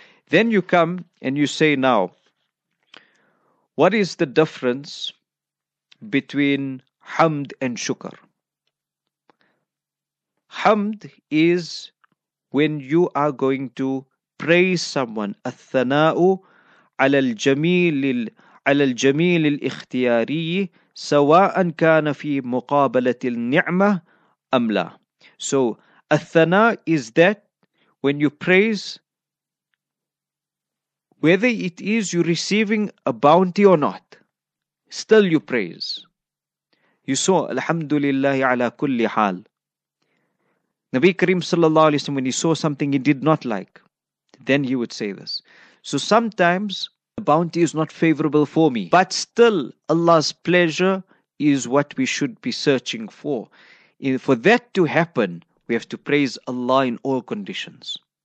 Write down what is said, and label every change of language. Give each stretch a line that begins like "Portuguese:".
English: Then you come and you say, now, what is the difference between hamd and shukr? Hamd is when you are going to praise someone,
Arabic: al-thana'u ala al-jamilil. على الجميل الاختياري سواء كان في مقابلة النعمة أم لا.
English: So الثناء is that when you praise, whether it is you receiving a bounty or not, still you praise. You saw
Arabic: الحمد لله على كل حال.
English: Nabi Kareem صلى الله عليه وسلم, when he saw something he did not like, then he would say this. So sometimes the bounty is not favorable for me, but still Allah's pleasure is what we should be searching for. For that to happen, we have to praise Allah in all conditions.